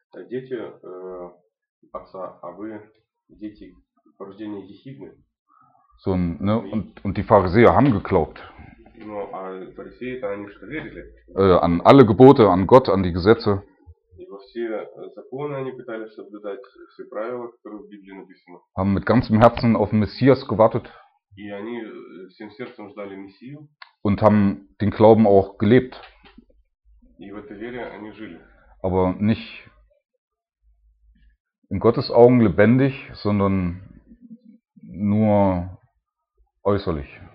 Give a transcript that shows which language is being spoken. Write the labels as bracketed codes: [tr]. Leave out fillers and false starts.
[ru] Дети отца, а вы дети по рождению ехидны. [de] So, ne, und die Pharisäer haben geglaubt. [ru] Но фарисеи они что верили? [de] An alle Gebote, an Gott, an die Gesetze. [ru] И во все законы они пытались соблюдать, все правила, которые в Библии написаны. [de] Haben mit ganzem Herzen auf den Messias gewartet. [ru] И они всем сердцем ждали Мессию. [de] Und haben den Glauben auch gelebt. [ru] И в этой вере они жили. [de] Aber nicht in Gottes Augen lebendig, sondern nur äußerlich.